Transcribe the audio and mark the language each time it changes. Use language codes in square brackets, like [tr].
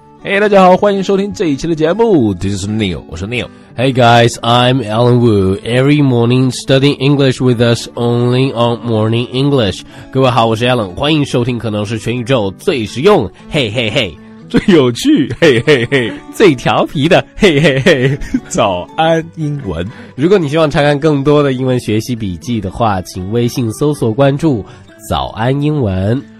[zh] Hey， 大家好，欢迎收听这一期的节目。 [en] This is Neil， [zh] 我是 [en] Neil。 Hey guys， I'm Alan Wu。 Every morning studying English with us only on Morning English。 [zh] 各位好，我是 Alan， 欢迎收听可能是全宇宙最实用，嘿嘿嘿，最有趣，嘿嘿嘿，最调皮的，嘿嘿嘿，早安英文。如果你希望查看更多的英文学习笔记的话，请微信搜索关注早安英文。